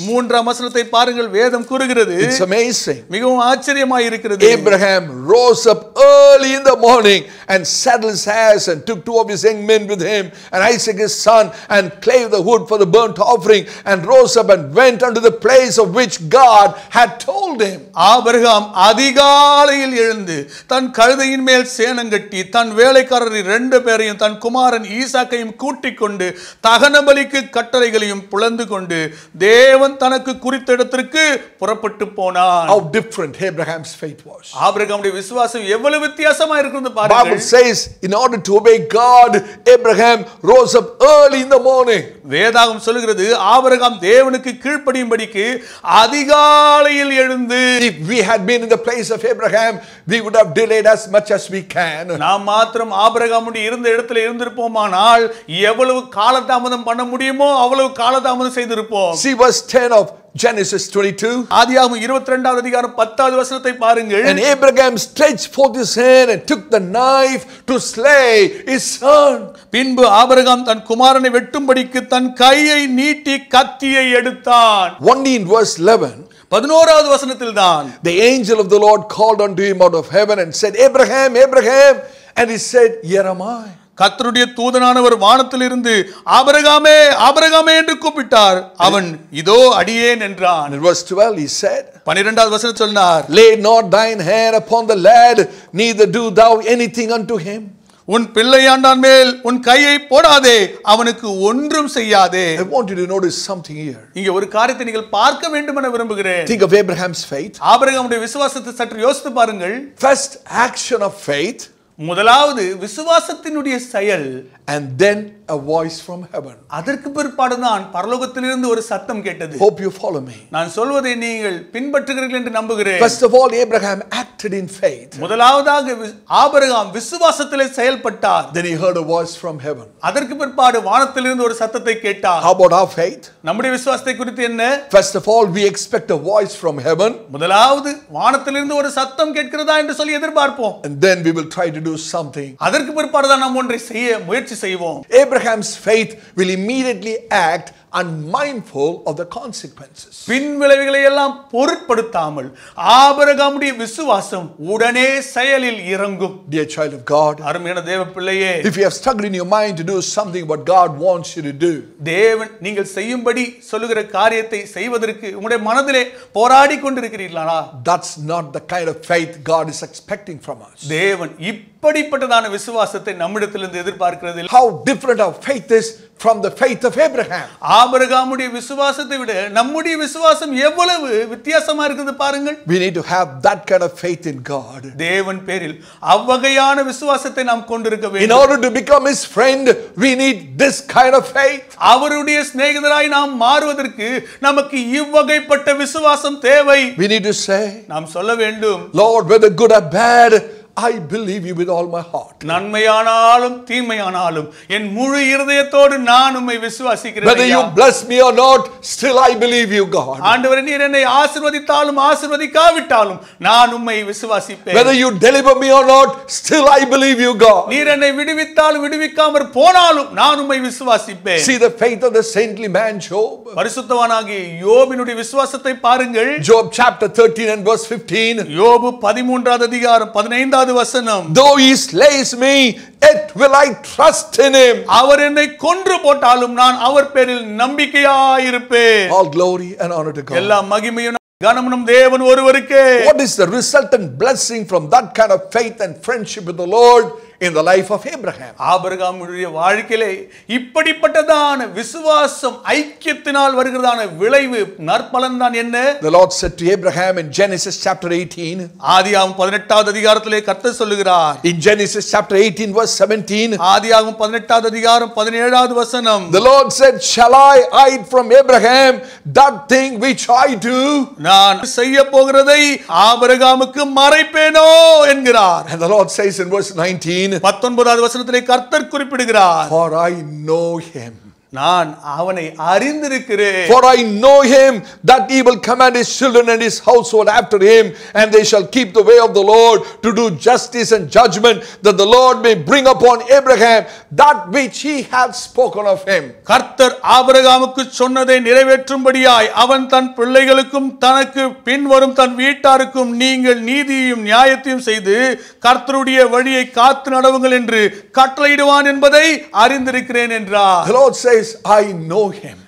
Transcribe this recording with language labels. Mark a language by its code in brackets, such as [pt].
[ta] மூன்றாம் வசனத்தை பாருங்கள் வேதம் கூறுகிறது [en] It's amazing [ta] மிகவும் ஆச்சரியமாக இருக்கிறது [en] Abraham rose up early in the morning and saddled his ass and took two of his young men with him and Isaac his son and clave the wood for the burnt offering and rose up and went unto the place of which God had told him [ta] Abraham அதிகாலையில் எழுந்து தன் கழுதையின் மேல் சேணம் கட்டி தன் வேலைக்காரர் இரண்டு பேரையும் தன் குமாரன் ஈசாக்கையும் கூட்டிக் கொண்டு தகன பலிக்கு கட்டளைகளையும் புலந்து கொண்டு தேவன் தனக்கு குறித்த இடத்திற்கு புறப்பட்டு போனான் [en] How different Abraham's faith was. [ta] ஆபிரகாமுடைய விசுவாசம் எவ்வளவு வித்தியாசமாக இருக்குது பாருங்க. [en] Bible says in order to obey God Abraham rose up early in the morning. [ta] வேதாகம் சொல்கிறது ஆபிரகாம் தேவனுக்கு கீழ்ப்படியும்படிக்கு அதிகாலையில் எழுந்து [en] If we had been in the place of Abraham we would have delayed as much as we can. [ta] நாம் மாத்திரம் ஆபிரகாமுடைய இருந்த இடத்துல இருந்திருப்போமானால் எவ்வளவு காலதாமதம் பண்ண முடியுமோ அவ்வளவு காலதாமதம் செய்திருப்போம் [en] See verse 10 of Genesis 22 [ta] ஆதியாகமம் 22வது அதிகாரம் 10வது வசனத்தை பாருங்கள் [en] And Abraham stretched forth his hand and took the knife to slay his son [ta] பின்பு ஆபிரகாம் தன் குமாரனை வெட்டும்படிக்கு தன் கையை நீட்டி கத்தியை எடுத்தான் [en] Only in verse 11 [ta] 11வது வசனத்தில் தான் [en] The angel of the Lord called unto him out of heaven and said Abraham Abraham and he said here am I [ta] கர்த்தருடைய தூதனானவர் வானத்திலிருந்து ஆபிரகாமே ஆபிரகாமே என்று கூப்பிட்டார் அவன் இதோ அடியேன் என்றான் [en] It was 12 he said [ta] 12வது வசனம் சொன்னார் [en] Lay not thine hand upon the lad neither do thou anything unto him [ta] உன் பிள்ளையாண்டான் மேல் உன் கையை போடாதே அவனுக்கு ஒன்றும் செய்யாதே [en] I want you to notice something here [ta] இங்க ஒரு காரியத்தை நீங்கள் பார்க்க வேண்டும் என விரும்புகிறேன் [en] Think of Abraham's faith [ta] ஆபிரகாமுடைய விசுவாசத்தை சற்று யோசித்து பாருங்கள் [en] First action of faith [ta] முதலாவது விசுவாசத்தினுடைய செயல் [en] and then a voice from heaven [ta] அதற்கு பிறகு தான் பரலோகத்திலிருந்து ஒரு சத்தம் கேட்டது [en] hope you follow me [ta] நான் சொல்வதை நீங்கள் பின்பற்றுகிறீர்கள் என்று நம்புகிறேன் [en] first of all abraham acted in faith [ta] முதலாவதாக ஆபிரகாம் விசுவாசத்திலே செயல்பட்டார் [en] then he heard a voice from heaven [ta] அதற்கு பிறகு வானத்திலிருந்து ஒரு சத்தத்தை கேட்டார் [en] how about our faith [ta] நம்முடைய விசுவாசத்தை குறித்து என்ன [en] first of all we expect a voice from heaven [ta] முதலாவது வானத்திலிருந்து ஒரு சத்தம் கேட்கிறதா என்று சொல்லி எதிர்பார்ப்போம் [en] and then we will try to do something [ta] அதற்கு பிறகு தான் நாம் ஒன்றை செய்ய முயற்சி [en] Abraham's faith will immediately act unmindful of the consequences. [ta] பின் விளைவுகளை எல்லாம் பொருட்படுத்தாமல் ஆபிரகாமுடைய விசுவாசம் உடனே செயலில் இறங்கும். [en] Dear child of God, [ta] அருமையான தேவ பிள்ளையே, [en] if you have stuck in your mind to do something what God wants you to do, [ta] தேவன் நீங்கள் செய்யும்படி சொல்லுகிற காரியத்தை செய்வதற்கு உங்களுடைய மனதிலே போராடி கொண்டிருக்கிறீர்களா? [en] That's not the kind of faith God is expecting from us. [ta] தேவன் இப்படிப்பட்டதான விசுவாசத்தை நம்மிடத்திலிருந்து எதிர்பார்க்கிறது. [en] How different our faith is from the faith of Abraham. [ta] ஆபிரகாமுடைய விசுவாசத்தை விட நம்முடைய விசுவாசம் எவ்வளவு வித்தியாசமா இருக்குது பாருங்கள். [en] We need to have that kind of faith in God. [ta] தேவன் பேரில் அவ்வகையான விசுவாசத்தை நாம் கொண்டிருக்க வேண்டும். [en] In order to become his friend, we need this kind of faith. [ta] அவருடைய சிநேகிதராய் நாம் மாறுவதற்கு நமக்கு இவ்வகைப்பட்ட விசுவாசம் தேவை. [en] We need to say, [ta] நாம் சொல்ல வேண்டும், [en] Lord, whether good or bad, I believe you with all my heart. [ta] நன்மையானாலும் தீமையானாலும் என் முழு இதயத்தோடு நான் உம்மை விசுவாசிக்கிறேன். [en] Whether you bless me or not, still I believe you, God. [ta] ஆண்டவரே, நீர் என்னை ஆசீர்வதித்தாலும் ஆசீர்வதிக்காவிட்டாலும் நான் உம்மை விசுவாசிப்பேன். [en] Whether you deliver me or not, still I believe you, God. [ta] நீர் என்னை விடுவித்தாலும் விடுவிக்காமற் போனாலும் நான் உம்மை விசுவாசிப்பேன். [en] See the faith of the saintly man Job. [ta] பரிசுத்தவானாகிய யோபினுடைய விசுவாசத்தை பாருங்கள். [en] Job chapter 13 and verse 15. [ta] யோபு 13வது அதிகாரம் 15 வசனம். [en] Though he slays me, yet will I trust in him. [ta] அவர் என்னை கொன்று போட்டாலும் நான் அவர் பேரில் நம்பிக்கையாயிருப்பேன். [en] All glory and honor to God. [ta] எல்லா மகிமையும் கனமனும் தேவன் ஒருவருக்கே. [en] What is the resultant blessing from that kind of faith and friendship with the Lord in the life of Abraham? [ta] ஆபிரகாமுடைய வாழ்க்கையிலே இப்படிப்பட்டதான விசுவாசம் ஐக்கியத்தினால் வருகிறதான விளைவு நற்பலன் தான் என்ன? [en] The Lord said to Abraham in Genesis chapter 18. [ta] ஆதியாகமம் 18வது அதிகாரத்திலே கர்த்தர் சொல்கிறார். [en] In Genesis chapter 18 verse 17. [ta] ஆதியாகமம் 18வது அதிகாரம் 17வது வசனம். [en] The Lord said, shall I hide from Abraham that thing which I do? [ta] நான் செய்ய போகிறதை ஆபிரகாமுக்கு மறைப்பேனோ என்கிறார். [en] And the Lord says in verse 19. For I know him. [ta] நான் அவனை அறிந்திருக்கிறேன். [en] For I know him that he will command his children and his household after him, and they shall keep the way of the Lord to do justice and judgment, that the Lord may bring upon Abraham that which he had spoken of him. [ta] கர்த்தர் ஆபிரகாமுக்கு சொன்னதை நிறைவேற்றும்படியாய் அவன் தன் பிள்ளைகளுக்கும் தனக்கு பின்வரும் தன் வீட்டாருக்கும் நீங்கள் நீதியையும் நியாயத்தையும் செய்து கர்த்தருடைய வழியை காத்து நடவுங்கள் என்று கட்டளையிடுவான் என்பதை அறிந்திருக்கிறேன் என்றார். [en] I know him.